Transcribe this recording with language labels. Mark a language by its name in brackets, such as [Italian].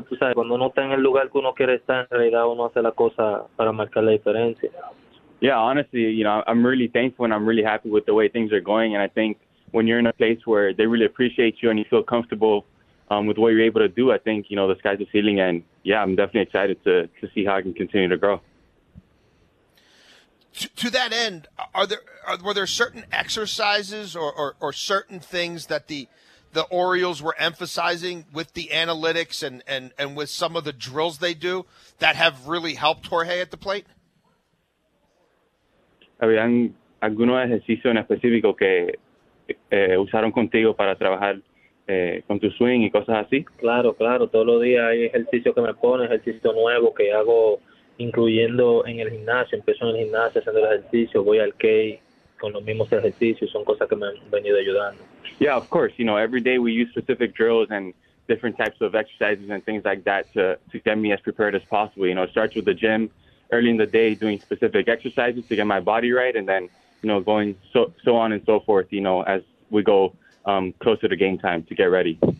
[Spanish] Tú sabes, cuando uno está en el lugar que uno quiere estar, en realidad uno hace la cosa para marcar la diferencia. [English] Yeah, honestly, you know, I'm really thankful and I'm really happy with the way things are going. And I think when you're in a place where they really appreciate you and you feel comfortable with what you're able to do, I think, you know, the sky's the ceiling. And, yeah, I'm definitely excited to see how I can continue to grow. To that end, were there certain exercises or certain things that the Orioles were emphasizing with the analytics and with some of the drills they do that have really helped Jorge at the plate? [Spanish] Habían algunos ejercicios en específico que usaron contigo para trabajar con tu swing y cosas así. Claro, claro. Todos los días hay ejercicios que me ponen, ejercicios nuevos que hago, incluyendo en el gimnasio. Empiezo en el gimnasio haciendo el ejercicio, voy al K con los mismos ejercicios. Son cosas que me han venido ayudando. [English] Yeah, of course. You know, every day we use specific drills and different types of exercises and things like that to get me as prepared as possible. You know, it starts with the gym early in the day, doing specific exercises to get my body right, and then, you know, going so on and so forth, you know, as we go closer to game time to get ready.